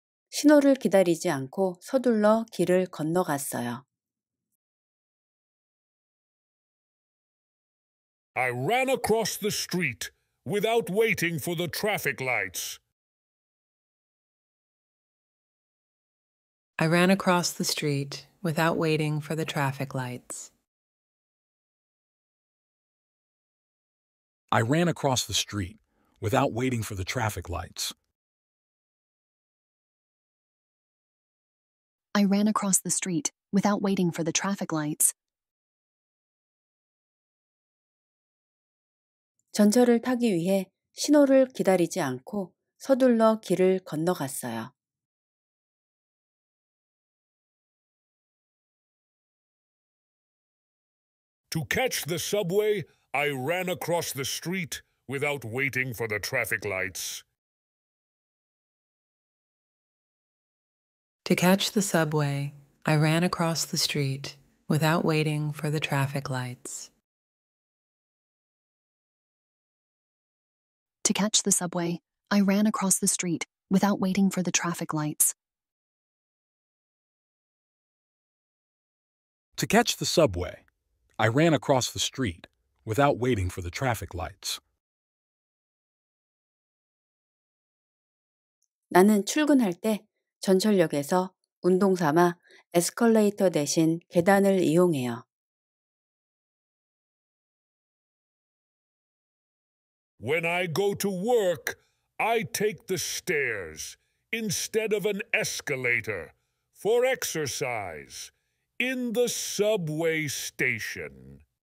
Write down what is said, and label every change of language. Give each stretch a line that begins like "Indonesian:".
Korean: 신호를 기다리지 않고 서둘러 길을 건너갔어요.
English: I ran across the street without waiting for the traffic lights. I ran across the street without waiting for the traffic lights. I ran across the street without waiting for the traffic lights. I ran across the street without waiting for the traffic lights.
Korean: 전철을 타기 위해 신호를 기다리지 않고 서둘러 길을 건너갔어요.
English: To catch the subway, I ran across the street without waiting for the traffic lights. To catch the subway, I ran across the street without waiting for the traffic lights. To catch the subway, I ran across the street without waiting for the traffic lights. To catch the subway, I ran across the street without waiting for the traffic lights.
Korean: 나는 출근할 때 전철역에서 운동 삼아 에스컬레이터 대신 계단을 이용해요.
English: When I go to work, I take the stairs instead of an escalator for exercise in the subway station.